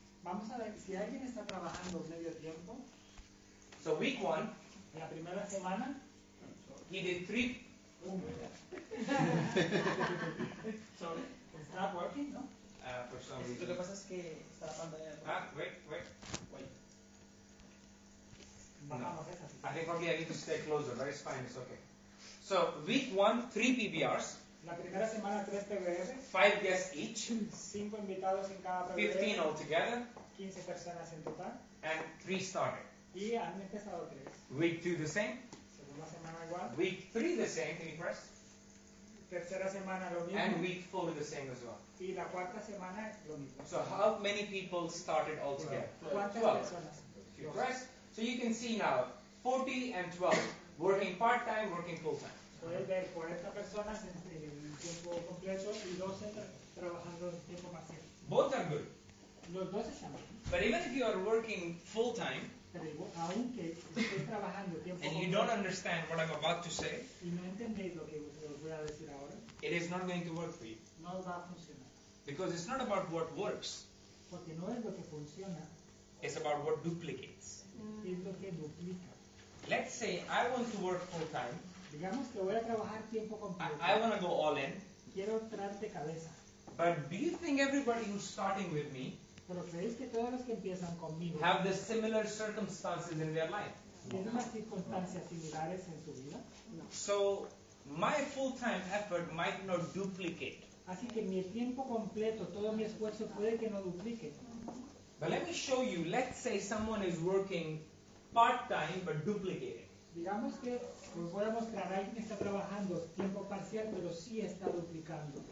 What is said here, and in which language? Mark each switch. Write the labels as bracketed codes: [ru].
[es] Vamos a ver si alguien está trabajando medio tiempo. [en] So week one. [es] En la primera semana. [en] He did three. Sorry. Stop working, ¿no? For some reason. [es] Lo que pasa es que está la pantalla. [en] Wait. No. I think probably I need to stay closer, but it's fine, it's okay. So, week one, 3 PBRs. [es] La primera semana, 3 PBRs. [en] 5 guests each. [es] 5 invitados en cada PBR. [en] 15 altogether. [es] 15 personas en total. [en] And 3 started. [es] Y han empezado 3. [en] Week 2 the same. [es] Segunda semana igual. [en] Week 3 the same, can you press? [es] Tercera semana lo mismo. [en] And week 4 the same as well. [es] Y la cuarta semana lo mismo. [en] So, how many people started altogether? 12. So, you can see now, 40 and 12. Working part-time, working full-time. [es] Puedes ver 40 personas en tiempo completo y 12 trabajando en tiempo parcial. [en] Both are good. [es] Los dos están bien. [en] But even if you are working full-time, [es] pero aunque estés trabajando tiempo [en] and you don't understand what I'm about to say, [es] y no entendéis lo que os voy a decir ahora, [en] it is not going to work for you. [es] No va a funcionar. [en] Because it's not about what works. [es] Porque no es lo que funciona. [en] It's about what duplicates. [es] Es lo que duplica. [en] Let's say I want to work full time. [es] Digamos que voy a trabajar tiempo completo. [en] I want to go all in. [es] Quiero entrar de cabeza. [en] But do you think everybody who's starting with me [es] pero creéis que todos los que empiezan conmigo [en] have the similar circumstances in their life? [es] ¿Tienen las circunstancias similares en su vida? [en] So my full time effort might not duplicate. [es] Así que mi tiempo completo, todo mi esfuerzo puede que no duplique. [en] But let me show you. Let's say someone is working part-time, but duplicated. [es] Digamos que os voy a mostrar a alguien que está trabajando tiempo parcial, pero sí está duplicando.